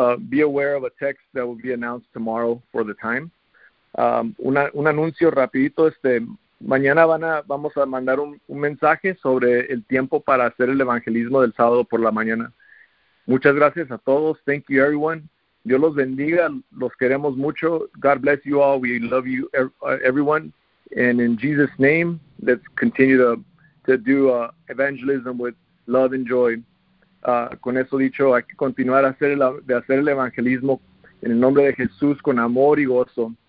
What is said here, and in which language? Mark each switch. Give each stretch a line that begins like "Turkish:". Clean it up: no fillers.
English: Be aware of a text that will be announced tomorrow for the time.
Spanish: Un anuncio rapidito, mañana vamos a mandar un mensaje sobre el tiempo para hacer el evangelismo del sábado por la mañana. Muchas gracias a todos.
English: Thank you, everyone.
Spanish: Dios los bendiga. Los queremos mucho.
English: God bless you all. We love you, everyone. And in Jesus' name, let's continue to do evangelism with love and joy.
Spanish: Con eso dicho, hay que continuar a hacer el evangelismo en el nombre de Jesús con amor y gozo.